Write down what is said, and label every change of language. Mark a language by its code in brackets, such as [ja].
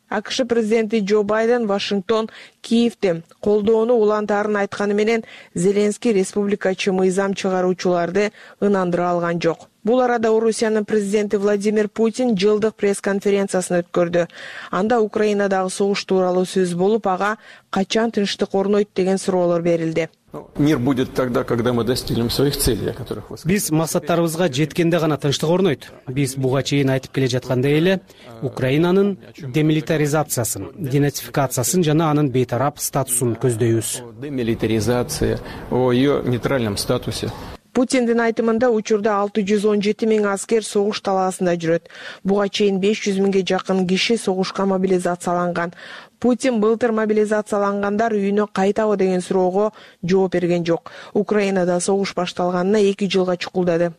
[ky] АКШ президенти Джо Байден Вашингтон Киевде колдоону улантарын айтканы менен Зеленский республикачы мыйзам чыгаруучуларды ынандыра алган жок. Бул арада Орусиянын президенти Владимир Путин жылдык пресс-конференциясын өткөрдү. Анда Украинадагы согуш тууралуу сөз болуп, ага качан тынчтык орнойт деген суроолор берилди. [ru] Мир будет тогда, когда мы достигнем своих целей, о которых вы сказали. [ky] Биз максаттарыбызга жеткенде гана тынчтык орнойт. Биз буга чейин айтып келе жаткандай эле Украинанын демилитаризациясын, денацификациясын жана анын бейтарап статусун көздөйбүз. [ru] Демилитаризация, о её нейтральном статусе. [ky] Путиндин айтымында учурда 617 000 аскер согуш талаасында жүрөт. Буга чейин 500 000 жакын киши согушка мобилизацияланган. Путин былтыр мобилизациялангандар үйүнө кайтабы деген суроого жооп берген жок. Украинада согуш башталганына 2 жылга чукулдады.